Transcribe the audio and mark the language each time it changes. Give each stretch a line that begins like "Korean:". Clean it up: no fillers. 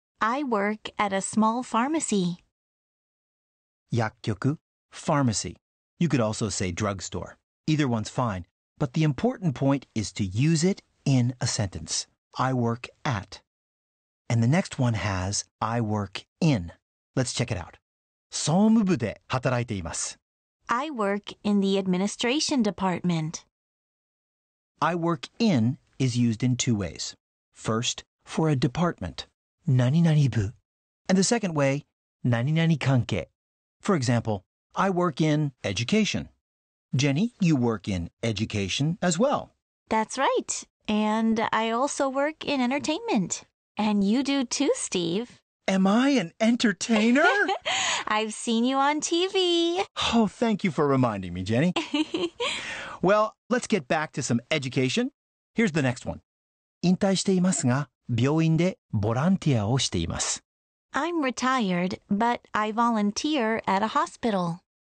English: I work at a small pharmacy. 薬局 pharmacy. You could also say drugstore. Either one's fine, but the important point is to use it in a sentence. I work at. And the next one has I work in. Let's check it out.
Japanese: 総務部で働いています。
English: I work in the administration department. I work in is used in two ways. First, for a department, 何々部. And the second way, 何々関係.For example, I work in education. Jenny, you work in education as well. That's right. And I also work in entertainment. And you do too, Steve. Am I an entertainer? I've seen you on TV. Oh, thank you for reminding me, Jenny. Well, let's get back to some education. Here's the next one.
Japanese: 引退していますが、病院でボランティアをしています。
English: I'm retired, but I volunteer at a hospital.